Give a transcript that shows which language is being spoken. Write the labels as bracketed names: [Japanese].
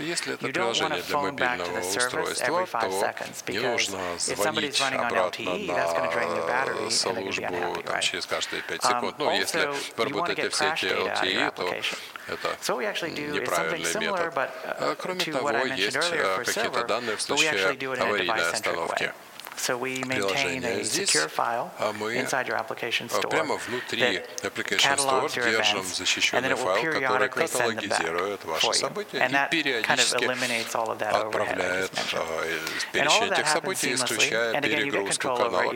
[Russian] Если это приложение для мобильного устройства, то не нужно звонить обратно на службу там, через каждые 5 секунд. Но если вы работаете в сети LTE, то это неправильный метод. Кроме того, есть какие-то данные в случае аварийной остановки. [English] So we maintain a secure file inside your application store. [Russian] Прямо внутри application store держим защищенный файл, который каталогизирует ваши события и периодически отправляет перечень этих событий, исключая перегрузку канала.